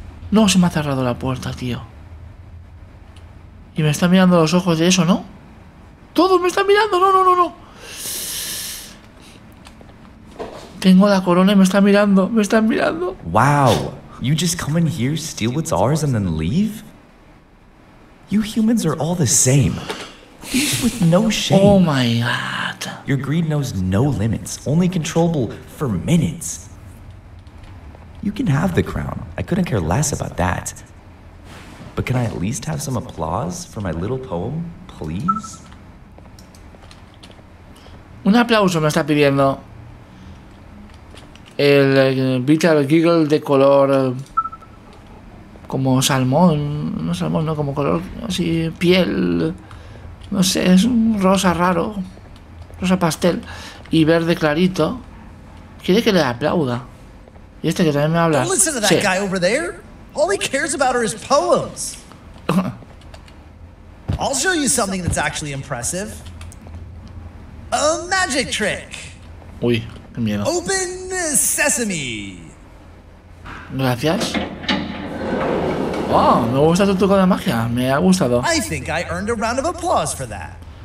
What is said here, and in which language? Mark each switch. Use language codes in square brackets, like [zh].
[es] No, se me ha cerrado la puerta, tío. Y me está mirando los ojos de eso, ¿no? ¡Todos me están mirando! ¡No, no, no, no! Tengo la corona y me están mirando. ¡Me están mirando! [en] Wow. You just come in here, steal what's ours, and then leave? You humans are all the same. Thieves with no shame. Oh my god. Your greed knows no limits, only controllable for minutes. You can have the crown. I couldn't care less about that. But can I at least have some applause for my little poem, please? [es] Un aplauso me está pidiendo. El bitter giggle de color como salmón, no salmón, no, como color así piel. No sé, es un rosa raro. Rosa pastel. Y verde clarito. Quiere que le aplauda. Y este que también me habla. [en] Don't listen to that guy over there. All he cares about are his poems. I'll show you something that's actually impressive. A magic trick. [es] Uy, qué miedo. [en] Open sesame. [es] Gracias. Oh, me gusta tu truco de magia, me ha gustado. [en] I think I earned a round of applause for that.